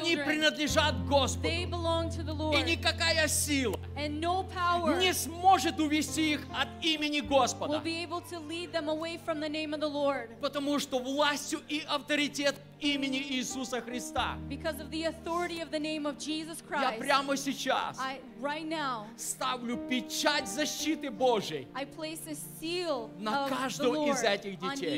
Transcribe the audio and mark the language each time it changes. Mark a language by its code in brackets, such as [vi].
[ru] они принадлежат Господу. [en] They belong to the Lord. [ru] И никакая сила [en] and no power [ru] не сможет увести их от имени Господа. [en] Will be able to lead them away from the name of the Lord. [ru] Потому что властью и авторитетом имени Иисуса Христа. [en] Because of the authority of the name of Jesus Christ. [ru] Я прямо сейчас [en] I, right now, [ru] ставлю печать защиты Божией. [en] I place a seal [ru] на каждого из этих детей.